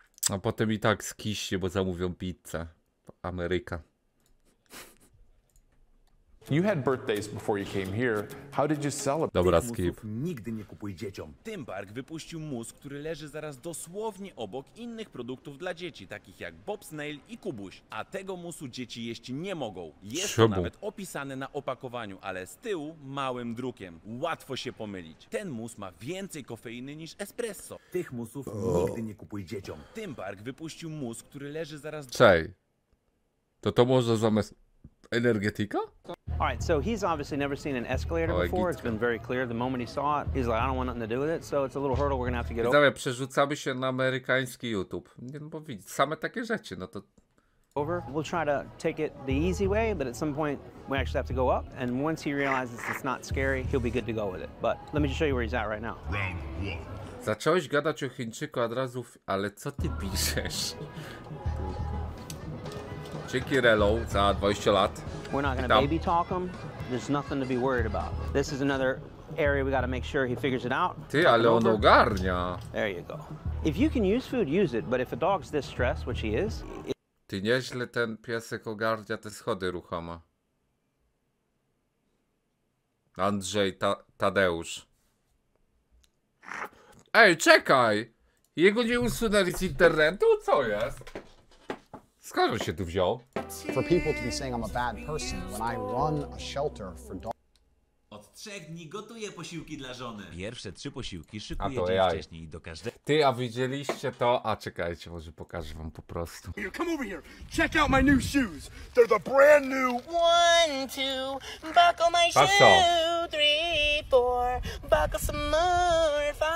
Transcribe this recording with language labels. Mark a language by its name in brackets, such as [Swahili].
[Polish] A potem i tak skiśnie, bo zamówią pizzę. Ameryka. [English] You had birthdays before you came here. How did you celebrate? [Polish] Dobra, skip. Nigdy nie kupuj dzieciom. Tympark wypuścił mus, który leży zaraz dosłownie obok innych produktów dla dzieci, takich jak bobsnail i kubuś. A tego musu dzieci jeść nie mogą. Jest to nawet opisane na opakowaniu, ale z tyłu małym drukiem. Łatwo się pomylić. Ten mus ma więcej kofeiny niż espresso. Tych musów nigdy nie kupuj dzieciom. Tympark wypuścił mus, który leży zaraz... Cześć. To może zamiast... Energetyka? [English] All right, so he's obviously never seen an escalator before. It's been very clear the moment he saw it. He's like, I don't want nothing to do with it. So it's a little hurdle we're gonna have to get over. [Polish] Przerzucamy się na amerykański YouTube. Nie, no bo widzisz, same takie rzeczy, no to... [English] Over. We'll try to take it the easy way, but at some point we actually have to go up. And once he realizes it's not scary, he'll be good to go with it. But let me just show you where he's at right now. [Polish] Zacząłeś gadać o Chińczyku od razu, ale co ty piszesz? Dzięki Relo za 20 lat. [English] We're not gonna baby talk him. There's nothing to be worried about. This is another area we gotta make sure he figures it out. [Polish] Ty, ale on ogarnia. [English] There you go. If you can use food, use it. But if a dog's this stressed, which he is. [Polish] Ty, nieźle ten piesek ogarnia te schody ruchome. Andrzej, Tadeusz. Ej, czekaj! Jego nie usunęli z internetu? Co jest? Skąd się tu wziął? [English] For people to be saying I'm a bad person when I run a shelter for dogs. [Polish] Od 3 dni gotuję posiłki dla żony. Pierwsze 3 posiłki szykuję dzień wcześniej do każdego. Ty, a widzieliście to? A czekajcie, może pokażę wam po prostu. [English] Come over here. Check out my new shoes. They're the brand new. 1, 2, buckle my shoe. 3, 4, buckle some more.